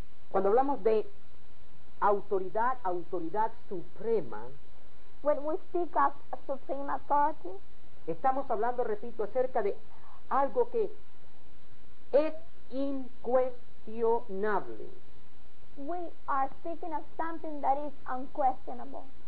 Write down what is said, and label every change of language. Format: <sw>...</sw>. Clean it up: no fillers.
<es>Cuando hablamos de autoridad suprema,</es> <en>when we speak of supreme authority,</en> <es>estamos hablando, repito, acerca de algo que es incuestionable.</es> <en>we are speaking of something that is unquestionable.</en>